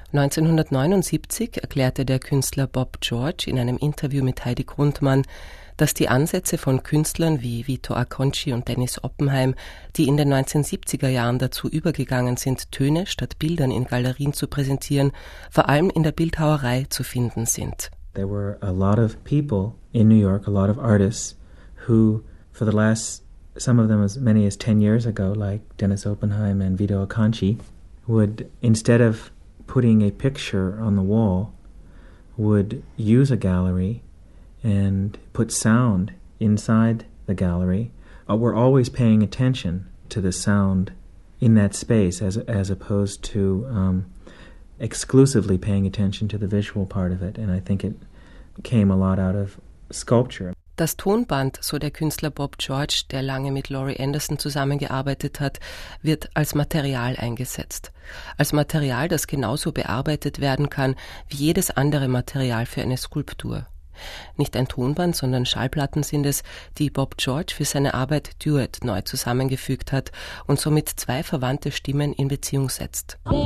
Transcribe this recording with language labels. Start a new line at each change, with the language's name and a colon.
German: 1979 erklärte der Künstler Bob George in einem Interview mit Heidi Grundmann, dass die Ansätze von Künstlern wie Vito Acconci und Dennis Oppenheim, die in den 1970er Jahren dazu übergegangen sind, Töne statt Bildern in Galerien zu präsentieren, vor allem in der Bildhauerei zu finden sind.
English: There were a lot of people in New York, a lot of artists, who for the last, some of them as many as 10 years ago, like Dennis Oppenheim and Vito Acconci, would, instead of putting a picture on the wall, would use a gallery and put sound inside the gallery. We're always paying attention to the sound in that space as opposed to exclusively paying attention to the visual part of it. And I think it came a lot out of sculpture.
German: Das Tonband, so der Künstler Bob George, der lange mit Laurie Anderson zusammengearbeitet hat, wird als Material eingesetzt. Als Material, das genauso bearbeitet werden kann wie jedes andere Material für eine Skulptur. Nicht ein Tonband, sondern Schallplatten sind es, die Bob George für seine Arbeit Duet neu zusammengefügt hat und somit 2 verwandte Stimmen in Beziehung setzt.